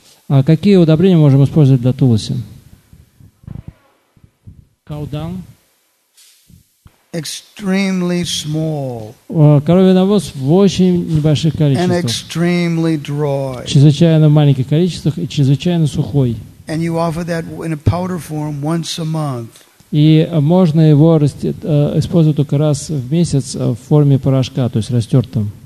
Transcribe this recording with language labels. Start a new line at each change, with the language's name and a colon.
Russian: А какие удобрения можем использовать для тулуси?
English: Cow dung. Extremely small.
Russian: Коровий навоз в очень небольших количествах.
English: And extremely dry.
Russian: Чрезвычайно маленьких количествах и чрезвычайно сухой.
English: And you offer that in a powder form once a month.
Russian: И можно его использовать только раз в месяц в форме порошка, то есть растертым.